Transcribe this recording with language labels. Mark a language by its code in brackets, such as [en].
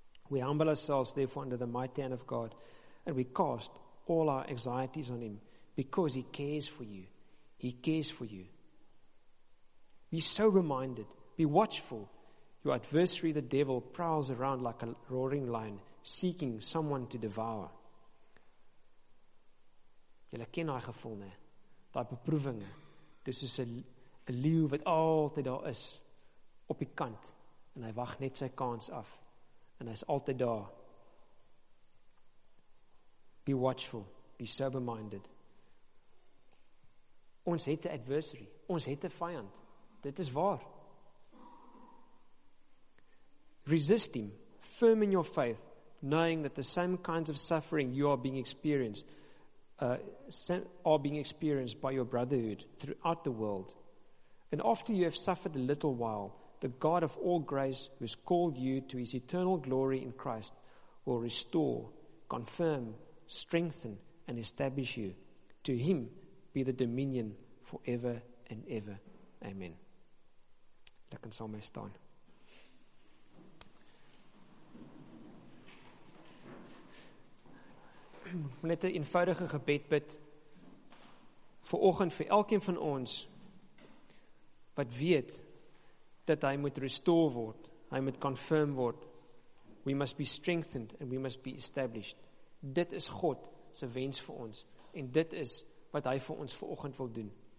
[en] We humble ourselves, therefore, under the mighty hand of God, and we cast all our anxieties on him because he cares for you. He cares for you. Be so reminded. Be watchful. Your adversary, the devil, prowls around like a roaring lion, seeking someone to devour. [af] Julle ken daai gevoel, né? Daai beproewinge. Dis soos 'n leeu wat altyd daar is, op die kant, en hy wag net sy kans af, en hy is altyd daar. [en] Be watchful, be sober-minded. [af] Ons het 'n adversary, ons het 'n vyand. Dit is waar. [en] Resist him, firm in your faith, knowing that the same kinds of suffering you are being experienced by your brotherhood throughout the world. And after you have suffered a little while, the God of all grace, who has called you to his eternal glory in Christ, will restore, confirm, strengthen, and establish you. To him be the dominion forever and ever. Amen. Let us all stand. [af] Net 'n eenvoudige gebed bid vir oggend vir elkeen van ons wat weet dat hy moet restore word, hy moet confirm word. [en] We must be strengthened and we must be established. [af] Dit is God se wens vir ons en dit is wat hy vir ons vir oggend wil doen.